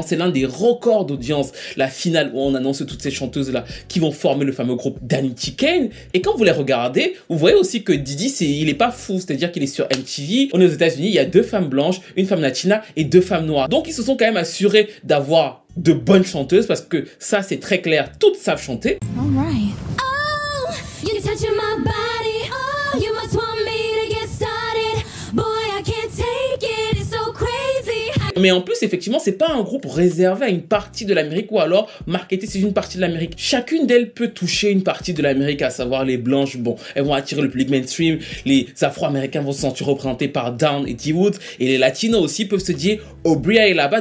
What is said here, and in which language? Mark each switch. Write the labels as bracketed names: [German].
[French] C'est l'un des records d'audience, la finale où on annonce toutes ces chanteuses-là qui vont former le fameux groupe Danity Kane. Et quand vous les regardez, vous voyez aussi que Didi, il n'est pas fou, c'est-à-dire qu'il est sur MTV. On est aux États-Unis, il y a 2 femmes blanches, 1 femme latina et 2 femmes noires. Donc ils se sont quand même assurés d'avoir de bonnes chanteuses, parce que ça c'est très clair, toutes savent chanter. [English] All right. You're touching my body, oh, you must want me to get started. Boy, I can't take it, it's so crazy. [French] Mais en plus, effectivement, c'est pas un groupe réservé à une partie de l'Amérique, ou alors marketé c'est une partie de l'Amérique. Chacune d'elles peut toucher une partie de l'Amérique, à savoir les blanches, bon, elles vont attirer le public mainstream, les afro-américains vont se sentir représentés par Dawn et Dee Woods, et les latinos aussi peuvent se dire Aubrey est là-bas.